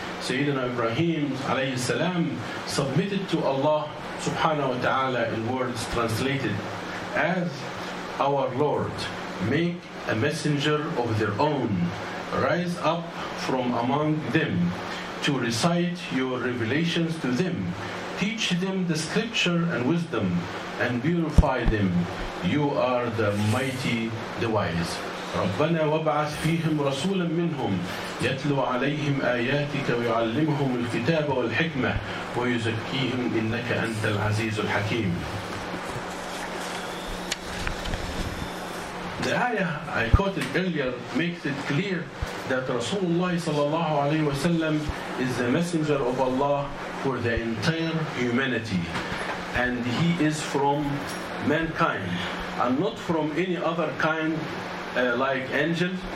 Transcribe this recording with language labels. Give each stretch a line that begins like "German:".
English: Sayyidina Ibrahim alayhi salam submitted to Allah subhanahu wa ta'ala in words translated as, "Our Lord, make a messenger of their own, rise up from among them to recite your revelations to them, teach them the scripture and wisdom, and purify them. You are the mighty, the wise."
Arabic: ربنا وابعث فيهم رسولا منهم يتلو عليهم آياتك ويعلمهم الكتاب والحكمة ويزكيهم إنك أنت العزيز الحكيم.
English: The ayah I quoted earlier makes it clear that Rasulullah sallallahu alayhi wa sallam is the messenger of Allah for the entire humanity, and he is from mankind and not from any other kind like angels.